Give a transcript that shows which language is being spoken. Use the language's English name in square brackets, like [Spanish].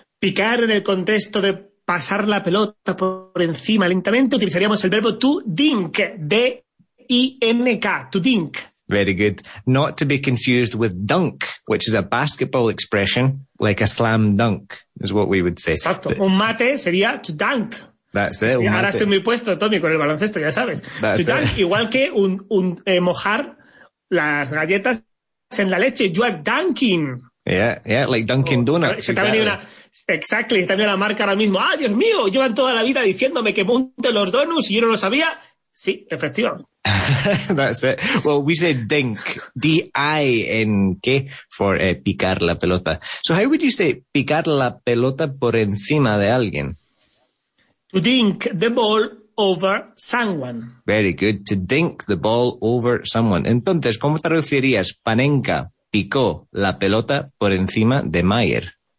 [Spanish] Picar en el contexto de pasar la pelota por encima lentamente, utilizaríamos el verbo [English] to dink, [Spanish] D-I-N-K, to dink. [English] Very good. Not to be confused with dunk, which is a basketball expression, like a slam dunk, is what we would say. [Spanish] Exacto. [English] But [Spanish] un mate sería [English] to dunk. That's it. [Spanish] Sí, ahora estoy muy puesto, Tommy, con el baloncesto, ya sabes. [English] That's to dunk, [Spanish] igual que un mojar las galletas en la leche. [English] You are dunking. Yeah, like Dunkin' Donuts. [Spanish] Se te ha venido una... [English] Exactly, [Spanish] está la marca ahora mismo. ¡Ah, Dios mío! Llevan toda la vida diciéndome que monte los donuts y yo no lo sabía. Sí, efectivamente. [English] That's it. Well, we say dink, D-I-N-K, for [Spanish] picar la pelota. [English] So how would you say [Spanish] picar la pelota por encima de alguien? [English] To dink the ball over someone. Very good. To dink the ball over someone. [Spanish] Entonces, ¿cómo traducirías Panenka? Picó la pelota por encima de Maier.